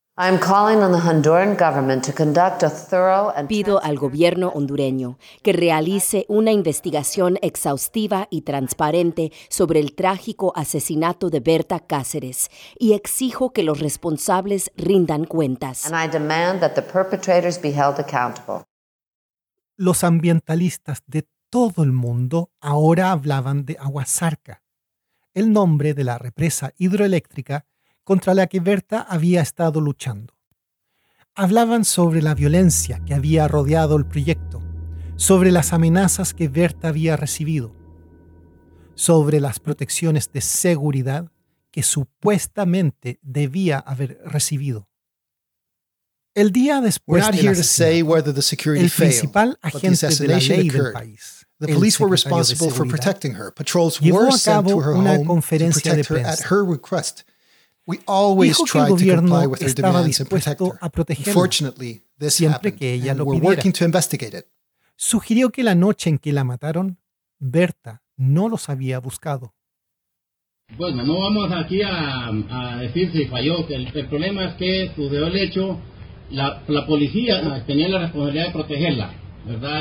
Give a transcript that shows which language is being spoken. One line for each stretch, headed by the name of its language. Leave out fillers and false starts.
English: I'm calling on the Honduran government to conduct a thorough and
Spanish: pido al gobierno hondureño que realice una investigación exhaustiva y transparente sobre el trágico asesinato de Berta Cáceres y exijo que los responsables rindan cuentas.
English: And I demand that the perpetrators be held accountable.
Spanish: Los ambientalistas de todo el mundo ahora hablaban de Aguazarca, el nombre de la represa hidroeléctrica contra la que Berta había estado luchando. Hablaban sobre la violencia que había rodeado el proyecto, sobre las amenazas que Berta había recibido, sobre las protecciones de seguridad que supuestamente debía haber recibido. El día después de la asesinato, el principal agente de la ley del país,
English: the police were responsible for protecting her. Patrols were sent to her home to protect her at her request. We always tried to comply with her demands and protect her. Unfortunately, this happened, and we're working to investigate it.
Spanish: Sugirió que la noche en que la mataron, Berta no los había buscado. Bueno, no vamos aquí a decir si falló. El problema es que sucedió el hecho. La policía tenía la responsabilidad de protegerla, ¿verdad?